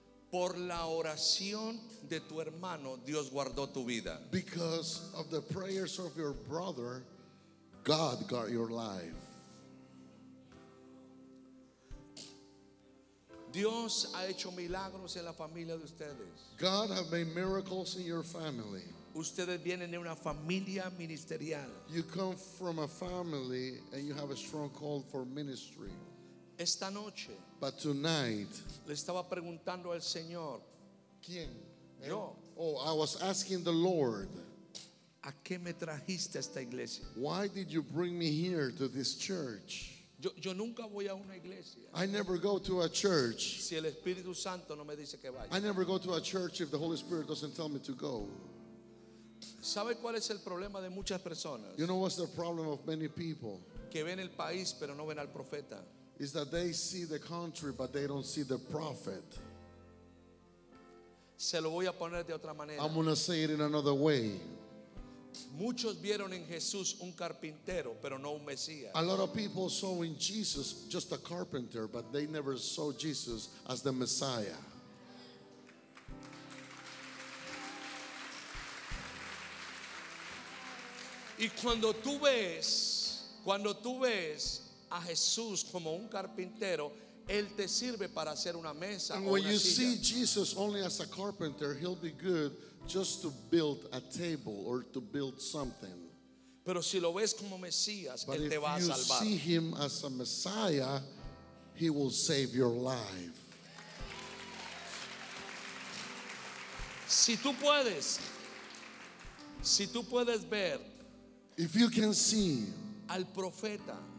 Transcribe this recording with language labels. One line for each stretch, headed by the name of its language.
Spanish: Por la oración de tu hermano, Dios guardó tu vida.
English: Because of the prayers of your brother, God got your life.
Spanish: Dios ha hecho milagros en la familia de ustedes.
English: God has made miracles in your family.
Spanish: Ustedes vienen de una familia ministerial.
English: You come from a family and you have a strong call for ministry.
Spanish: Esta noche.
English: But tonight.
Spanish: Le estaba preguntando al Señor. ¿Quién? Yo.
English: Oh, I was asking the Lord.
Spanish: ¿A qué me trajiste esta iglesia?
English: Why did you bring me here to this church?
Spanish: Yo nunca voy a una iglesia.
English: I never go to a church.
Spanish: Si el Espíritu Santo no me dice que vaya.
English: I never go to a church if the Holy Spirit doesn't tell me to go.
Spanish: ¿Sabe cuál es el problema de muchas personas?
English: You know what's the problem of many people?
Spanish: Que ven el país pero no ven al profeta.
English: Is that they see the country but they don't see the prophet.
Spanish: Se lo voy a poner de otra manera.
English: I'm going to say it in another way.
Spanish: Muchos vieron en Jesús un carpintero pero no un Mesías.
English: A lot of people saw in Jesus just a carpenter, but they never saw Jesus as the Messiah.
Spanish: Y cuando tú ves a Jesús como un carpintero, él te sirve para hacer una mesa.
English: And when you see Jesus only as a carpenter, he'll be good just to build a table or to build something.
Spanish: Pero si lo ves como Mesías, él te va a salvar.
English: But if you see him as a Messiah, he will save your life.
Spanish: Si tú puedes ver,
English: if you can see
Spanish: al profeta,